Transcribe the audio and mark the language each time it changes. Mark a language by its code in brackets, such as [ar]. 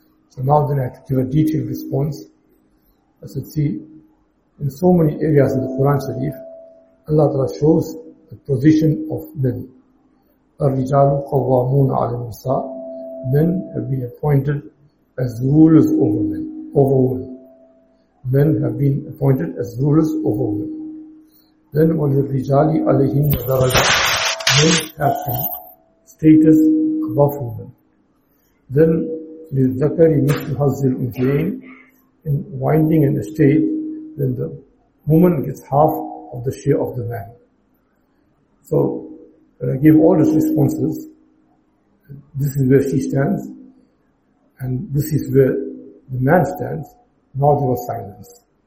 [en] So now then I have to give a detailed response. I said, see, in so many areas in the Quran Sharif, Allah Ta'ala shows the position of men. [ar] الرِّجَالُ قَوَّامُونَ عَلَى النِّسَاءِ. [en] Men have been appointed as rulers over men, over women. Men have been appointed as rulers over women. Then [ar] وَلِلْرِجَالِ عَلَيْهِنَّ دَرَجَةٌ. [en] Men have been status above women. Then [ar] لِلْذَكَرِ مِثْلُ حَظِّ الْأُنْثَيَيْنِ. [en] In winding an estate, then the woman gets half of the share of the man. So, when I gave all these responses, this is where she stands. and this is where the man stands, now there was silence.